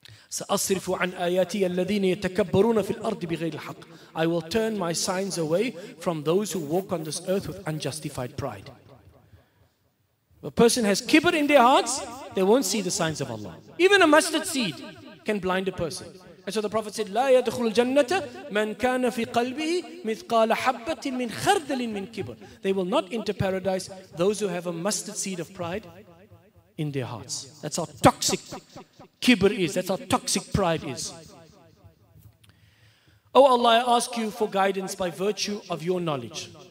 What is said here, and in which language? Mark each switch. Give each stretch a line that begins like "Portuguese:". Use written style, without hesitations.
Arabic: سَأَصْرِفُ عَنْ آيَاتِيَ الَّذِينَ يَتَكَبَّرُونَ فِي الْأَرْضِ بِغَيْرِ الْحَقِّ.
English: I will turn my signs away from those who walk on this earth with unjustified pride. If a person has kibr in their hearts, they won't see the signs of Allah. Even a mustard seed can blind a person. And so the Prophet said,
Arabic: لَا يَدْخُلُ الْجَنَّةَ مَنْ كَانَ فِي قَلْبِهِ مِثْقَالَ حَبَّةٍ مِنْ خَرْدَلٍ مِنْ كِبْرٍ.
English: They will not enter paradise, those who have a mustard seed of pride in their hearts. That's how toxic kibr is. That's how toxic pride is. Oh Allah, I ask you for guidance by virtue of your knowledge.